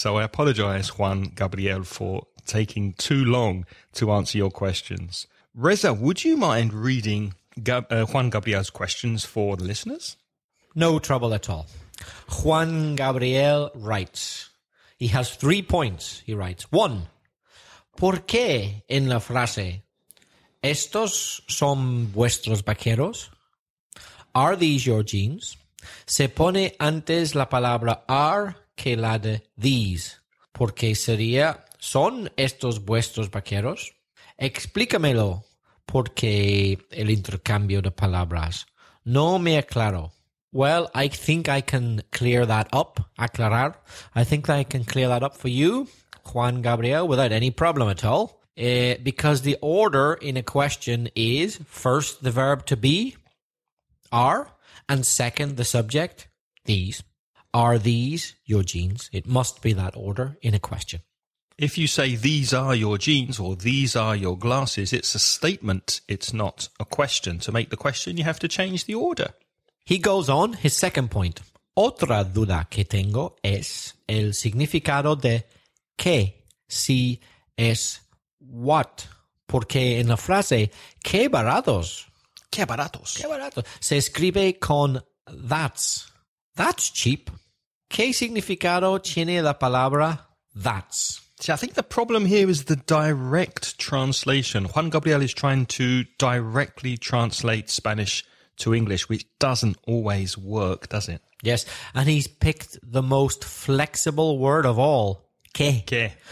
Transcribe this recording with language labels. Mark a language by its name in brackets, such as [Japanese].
[English] So I apologize, Juan Gabriel, for taking too long to answer your questions. Reza, would you mind reading Juan Gabriel's questions for the listeners? No trouble at all. Juan Gabriel writes, he has 3 points, he writes. [Spanish] One, ¿por qué en la frase, estos son vuestros vaqueros? [English] Are these your jeans? [Spanish] Se pone antes la palabra are que la de these. ¿Por qué sería... ¿Son estos vuestros vaqueros? Explícamelo, porque el intercambio de palabras. No me aclaro. [English] Well, I think I can clear that up. Aclarar. I think that I can clear that up for you, Juan Gabriel, without any problem at all. Because the order in a question is first the verb to be, are, and second the subject, these. Are these your jeans? It must be that order in a question. If you say these are your jeans or these are your glasses, it's a statement. It's not a question. To make the question, you have to change the order. He goes on, his second point. [Spanish] Otra duda que tengo es el significado de qué, si es what. Porque en la frase, qué baratos. Qué baratos. Qué baratos. Se escribe con that's. [English] That's cheap. [Spanish] ¿Qué significado tiene la palabra that's? [English] See, I think the problem here is the direct translation. Juan Gabriel is trying to directly translate Spanish to English, which doesn't always work, does it? Yes, and he's picked the most flexible word of all, que. [Spanish] Que.